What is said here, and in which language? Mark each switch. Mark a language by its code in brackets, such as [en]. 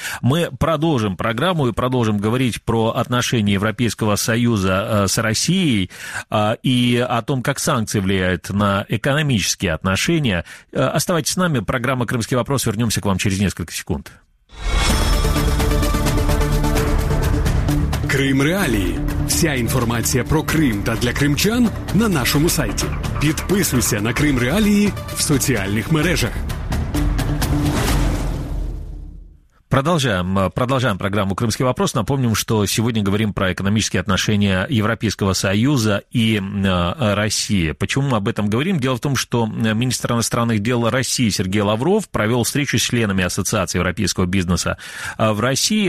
[ru] Мы продолжим программу и продолжим говорить про отношения Европейского Союза с Россией и о том, как санкции влияют на экономические отношения. Оставайтесь с нами. Программа «Крымский вопрос». Вернемся к вам через несколько секунд. «Крым Реалии». [uk] Вся інформація про Крим та для кримчан на нашому сайті. Підписуйся на Крим Реалії в соціальних мережах. [ru] Продолжаем программу «Крымский вопрос». Напомним, что сегодня говорим про экономические отношения Европейского Союза и России. Почему мы об этом говорим? Дело в том, что министр иностранных дел России Сергей Лавров провел встречу с членами Ассоциации Европейского Бизнеса в России.